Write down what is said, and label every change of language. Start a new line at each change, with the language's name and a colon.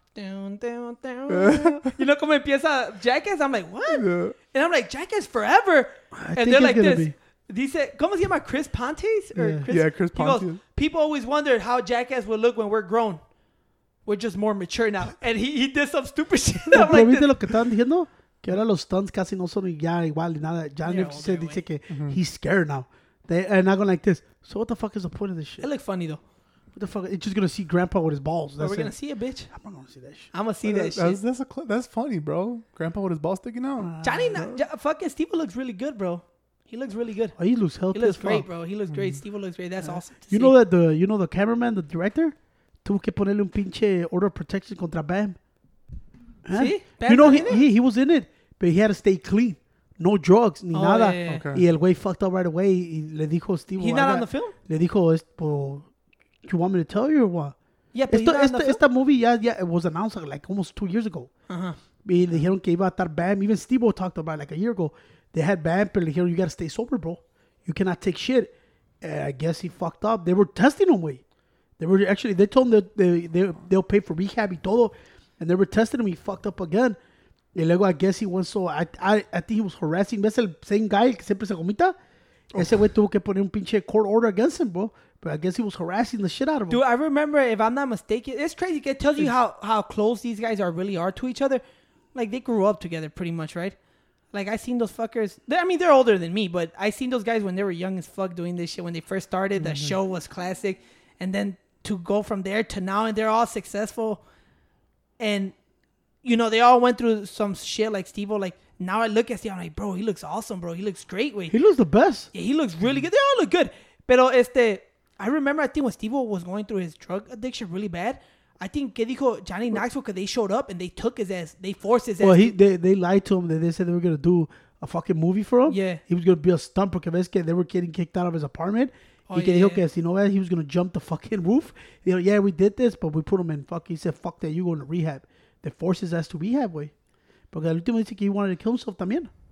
English: Dun, dun, dun. You know
Spanish: como empieza
English: Jackass? I'm like, what? Yeah. And I'm like, Jackass Forever? And they're like this.
Spanish: Dice, ¿cómo se llama?
English: Chris Pontes? Yeah, Chris Pontes. People always wondered how Jackass would look when we're grown. We're just more mature now. And he did some stupid shit.
Spanish: No, pero like viste lo que estaban diciendo? Que ahora los stunts casi no son ya igual ni nada. Ya no se dice que
English: he's scared now. They are not going like this. So what the fuck is the point of this shit? It looked funny though. What the fuck? It's just going to see grandpa with his balls. That's we're going to see it, bitch. I'm not going to see that shit. I'm going to see that shit. That's funny, bro. Grandpa with his balls sticking out. Fucking Steve looks really good, bro. He looks really good. Oh, he looks healthy. He looks great, bro. He looks great. Steve looks great. That's awesome. You know that the cameraman, the director?
Spanish: Tuvo que ponerle un pinche order of protection contra Bam.
English: Huh? See? Bam, you know, he was in it, but he had to stay clean. No drugs,
Spanish: ni nada.
English: Yeah, yeah. Okay.
Spanish: Y el güey
English: fucked up right away.
Spanish: Y le dijo Steve.
English: He's not on the film?
Spanish: Le dijo,
English: do you want me to tell you or what? Yeah, but he's not on the film?
Spanish: Esta movie ya
English: it was announced like almost 2 years ago. Uh-huh.
Spanish: Y le dijeron que iba a estar Bam.
English: Even Steve talked about it like a year ago. They had Bam,
Spanish: pero le dijeron,
English: you got to stay sober, bro. You cannot take shit. And I guess he fucked up. They were testing him, güey. They were actually, they told him that they'll pay for rehab
Spanish: y todo.
English: And they were testing him. He fucked up again.
Spanish: Y luego,
English: I guess he went so, I think he was harassing.
Spanish: ¿Ves el same guy que siempre se comita? Oh. Ese güey tuvo que poner un pinche
English: court order against him, bro. But I guess he was harassing the shit out of him. Dude, I remember, if I'm not mistaken, it's crazy. It tells you how close these guys really are to each other. Like, they grew up together pretty much, right? Like, I seen those fuckers. They're older than me, but I seen those guys when they were young as fuck doing this shit. When they first started, the show was classic. And then to go from there to now, and they're all successful. And, you know, they all went through some shit like Steve-O. Like, now I look at Steve, I'm like, bro, he looks awesome, bro. He looks great. Wait. He looks the best. Yeah, he looks really good. They all look good. Pero I remember, I think when Steve-O was going through his drug addiction really bad, I think,
Spanish: ¿qué dijo Johnny Knoxville?
English: Because they showed up and they took his ass. They forced his ass. Well, they lied to him. They said they were going to do a fucking movie for him. Yeah. He was going to be a stunt
Spanish: porque ves que
English: they were getting kicked out of his apartment. Oh, yeah, dijo, okay, so you know what? He was going to jump the fucking roof. You know, yeah, we did this, but we put him in. Fuck, he said, fuck that. You going to rehab. They forced his ass to rehab, güey.
Spanish: Porque el último dice que
English: he wanted to kill himself
Spanish: también.